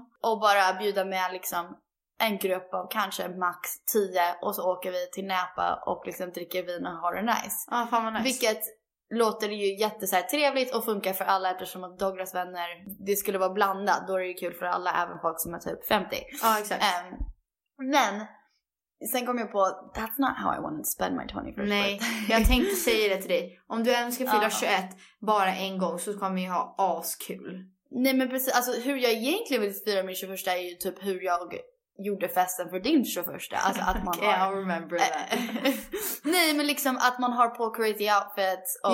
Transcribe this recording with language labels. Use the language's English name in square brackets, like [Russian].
[Swedish] Och bara bjuda med liksom... En grupp av kanske max 10. Och så åker vi till Napa och liksom dricker vin och har det nice. Ja, fan vad nice. Vilket låter ju jättetrevligt och funkar för alla. Eftersom att Douglas vänner, det skulle vara blandat. Då är det ju kul för alla, även folk som är typ 50. Ja, exakt. Men sen kom jag på, [English] that's not how I wanted to spend my 21st. [Swedish] Nej, jag tänkte säga det till dig. Om du ens ska fylla 21 bara en gång så kommer vi ha askul. Nej, men precis. Alltså hur jag egentligen vill fira min 21 är ju typ hur jag... gjorde festen för din 21. Alltså att man [English] okay, [Swedish] har... [English] I remember that. [Swedish] Nej, men liksom att man har på crazy outfits. Och